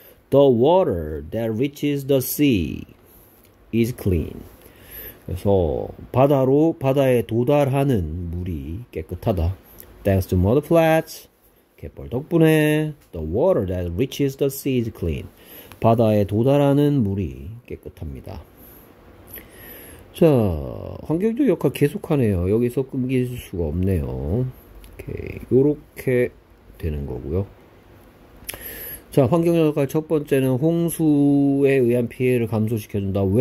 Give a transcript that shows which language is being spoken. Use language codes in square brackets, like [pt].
[en] The water that reaches the sea is clean. [ko] 그래서 바다에 도달하는 물이 깨끗하다. [en] Thanks to mud flats. [ko] 갯벌 덕분에 [en] the water that reaches the sea is clean. [ko] 바다에 도달하는 물이 깨끗합니다. 자, 환경적 역할 계속하네요. 여기서 끊길 수가 없네요. 이렇게 되는 거고요. 자, 환경적 역할 첫 번째는 홍수에 의한 피해를 감소시켜준다.